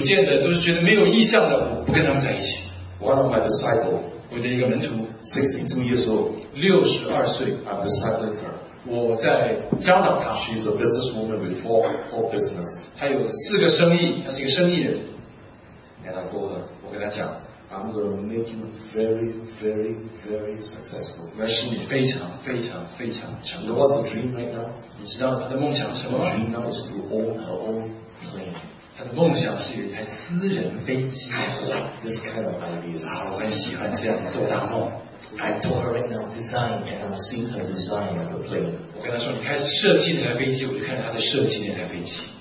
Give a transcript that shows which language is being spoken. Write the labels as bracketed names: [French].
[Chinese] 当然人们讲的时候都是没有什么主见的，都是觉得没有意向的，我不跟他们在一起。 [English] One of my disciples, [Chinese] 我的一个门徒, [English] 62 years old, [Chinese] 62岁, [English] I'm discipling her. [Chinese] 我在教导她, [English] she's a businesswoman with four business. [Chinese] 她有四个生意, 她是一个生意人。 [English] And I told her, [Chinese] 我跟她讲, [English] I'm going to make you very, very, very successful. [Chinese] 我要使你非常非常非常成功。 [English] You know what's the dream right now? [Chinese] 你知道她的梦想是什么? [English] Her dream now is to own her own plane. [Chinese] 她的梦想是有一台私人飞机。 [English] I like this kind of ideas. [Chinese] 我很喜欢这样子做大梦。 [English] I told her right now, design, and I'm seeing her design of the plane. [Chinese] 我跟她说，你开始设计那台飞机，我就看她在设计那台飞机。